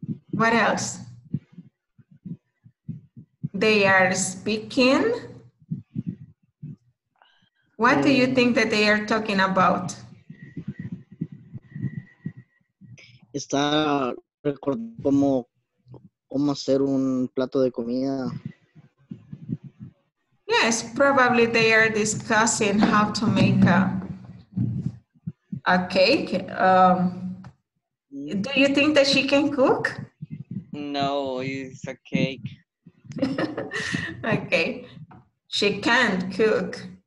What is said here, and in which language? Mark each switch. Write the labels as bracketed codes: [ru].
[en] What else? They are speaking. What do you think that they are talking about? [es] Está recordando cómo hacer un plato de comida. [en] Yes, probably they are discussing how to make a cake. Do you think that she can cook? No, it's a cake. Okay, she can't cook.